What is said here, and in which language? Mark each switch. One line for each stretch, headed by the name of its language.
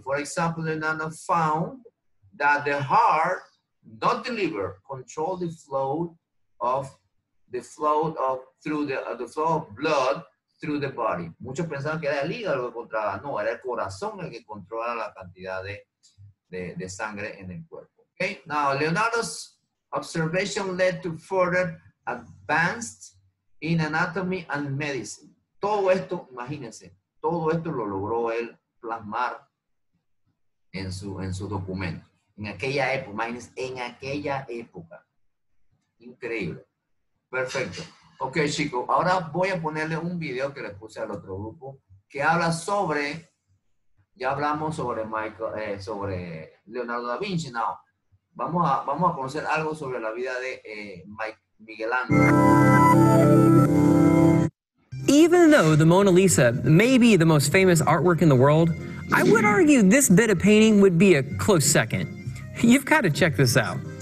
English: For example, Leonardo found that the heart, not the liver, controlled the flow of blood through the body.
Spanish: Muchos pensaban que era el hígado lo que controlaba. No, era el corazón el que controlaba la cantidad de sangre en el cuerpo. Okay.
English: Now, Leonardo's observation led to further advanced in anatomy and medicine.
Spanish: Todo esto, imagínense, todo esto lo logró él plasmar en su documento. En aquella época, imagínense, en aquella época. Increíble. Perfecto. Ok, chicos, ahora voy a ponerle un video que les puse al otro grupo que habla sobre, ya hablamos sobre Michael, sobre Leonardo da Vinci.
English: Now,
Spanish: vamos a conocer algo sobre la vida de Miguel Ángel.
English: Even though the Mona Lisa may be the most famous artwork in the world, I would argue this bit of painting would be a close second. You've got to check this out.